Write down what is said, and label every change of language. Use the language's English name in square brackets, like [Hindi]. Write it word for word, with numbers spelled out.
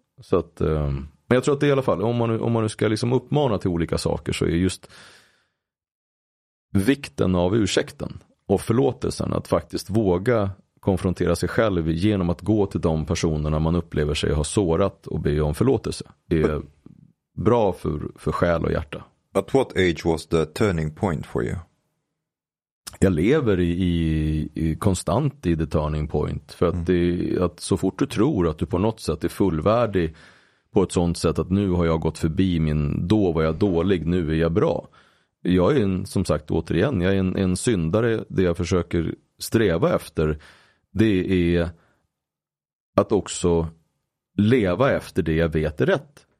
[Swedish] Så att, eh, men jag tror att det i alla fall, om man, om man nu ska liksom uppmana till olika saker, så är just vikten av ursäkten och förlåtelsen, att faktiskt våga konfrontera sig själv genom att gå till de personerna man upplever sig ha sårat och be om förlåtelse. Det är bra för, för själ och hjärta. [English] At what age was the turning point for you? [Swedish] Jag lever i, i, i konstant i [English] the turning point. [Swedish] För att, det, att så fort du tror att du på något sätt är fullvärdig på ett sånt sätt att nu har jag gått förbi min, då var jag dålig, nu är jag bra. Jag är en, som sagt återigen, jag är en, en syndare. Det jag försöker sträva efter, det är att också leva efter det jag vet är rätt.